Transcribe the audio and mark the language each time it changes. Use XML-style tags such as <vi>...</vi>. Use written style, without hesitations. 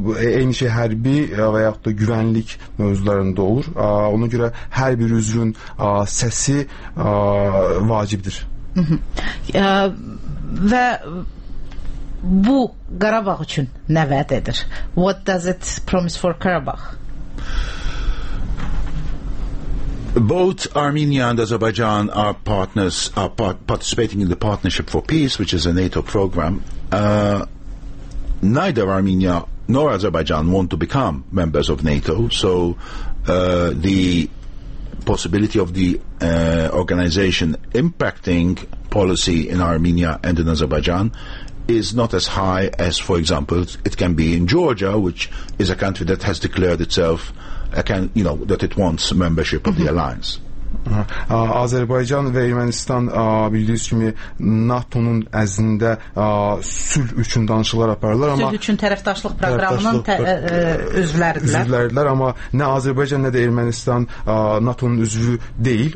<az>Eyni şey hərbi və yaxud da güvənlik mövzularında olur. Ona görə hər bir üzvün səsi vacibdir. Və bu Qarabağ üçün nə vəd edir?</az> <en>What does it promise for Qarabağ? Both Armenia and Azerbaijan are partners, are participating in the Partnership for Peace, which is a NATO program. Neither Armenia nor Azerbaijan want to become members of NATO, so the possibility of the organization impacting policy in Armenia and in Azerbaijan is not as high as, for example, it can be in Georgia, which is a country that has declared itself that it wants membership of the alliance.</en> <az>Azərbaycan və Ermənistan bildiyiniz kimi NATO-nun əzində sülh üçün danışıqlar aparırlar, amma sülh üçün tərəfdaşlıq proqramının üzvləridirlər, amma nə Azərbaycan nə də Ermənistan NATO-nun üzvü deyil.</az>